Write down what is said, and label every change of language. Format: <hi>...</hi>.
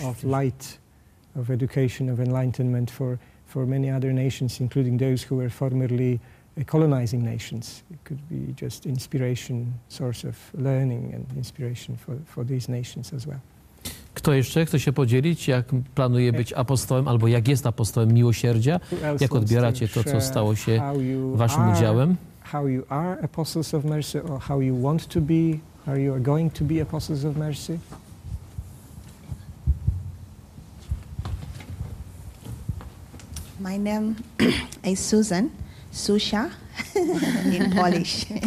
<en>of light, of education, of enlightenment for many other nations, including those who were formerly colonizing nations. It could be just inspiration, source of learning and inspiration for these nations as well.</en> <pl>Kto jeszcze chce się podzielić, jak planuje być apostołem, albo jak jest apostołem miłosierdzia? Jak odbieracie to, co stało się waszym udziałem?</pl> <en>How you are apostles of mercy, or how you want to be, or you are going to be apostles of mercy? My name is Susan, Susha in Polish.</en>